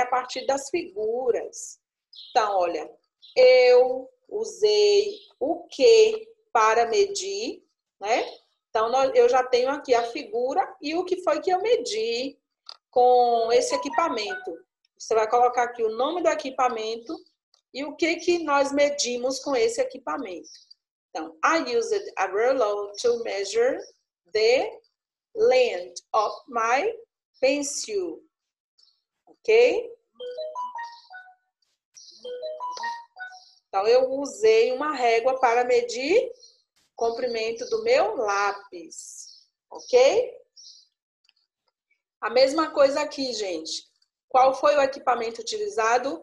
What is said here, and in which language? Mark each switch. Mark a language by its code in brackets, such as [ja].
[pt] A partir das figuras. Então, olha, eu usei o que para medir, né? Então, eu já tenho aqui a figura e o que foi que eu medi com esse equipamento. Você vai colocar aqui o nome do equipamento. E o que que nós medimos com esse equipamento? [en] Então, I used a ruler to measure the length of my pencil. [pt] Ok? Então, eu usei uma régua para medir o comprimento do meu lápis. Ok? A mesma coisa aqui, gente. Qual foi o equipamento utilizado?